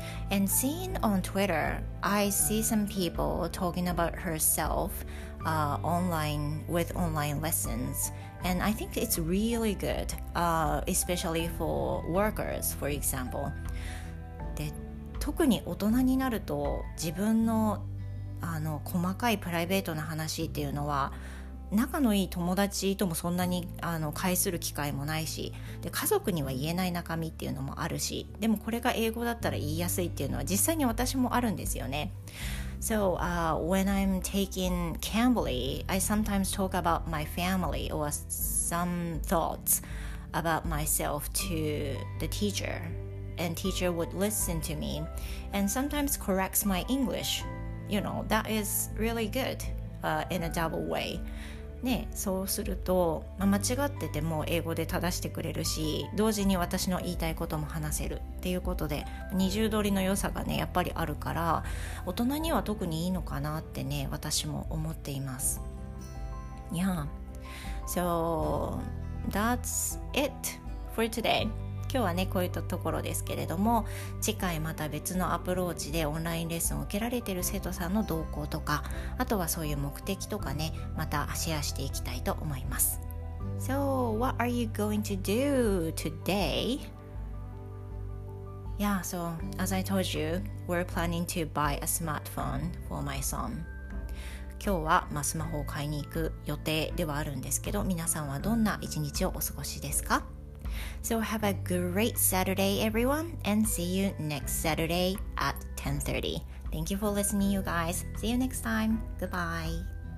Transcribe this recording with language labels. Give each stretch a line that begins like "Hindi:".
English: And seeing on Twitter, I see some people talking about herself, online with online lessons. And I think it's really good, especially for workers, for example.
Japanese: で、特に大人になると自分の、あの細かいプライベートな話っていうのは、仲のいい友達ともそんなにあの会する機会もないし、で家族には言えない中身っていうのもあるし、でもこれが英語だったら言いやすいっていうのは実際に私もあるんですよね。
English: So, when I'm taking Cambly, I sometimes talk about my family or some thoughts about myself to the teacher, and teacher would listen to me and sometimes corrects my English. You know, that is really goodin a double way.
Japanese: ね、そうすると、まあ、間違ってても英語で正してくれるし、同時に私の言いたいことも話せるっていうことで、二重取りの良さがねやっぱりあるから、大人には特にいいのかなってね私も思っています。
English: Yeah, so that's it for today.
Japanese: 今日はねこういったところですけれども、次回また別のアプローチでオンラインレッスンを受けられている生徒さんの動向とか、あとはそういう目的とかね、またシェアしていきたいと思います。
English: So what are you going to do today? Yeah, so as I told you, we're planning to buy a smartphone for my son.
Japanese: 今日は、まあ、スマホを買いに行く予定ではあるんですけど、皆さんはどんな一日をお過ごしですか？
English: So have a great Saturday, everyone, and see you next Saturday at 10:30. Thank you for listening, you guys. See you next time. Goodbye.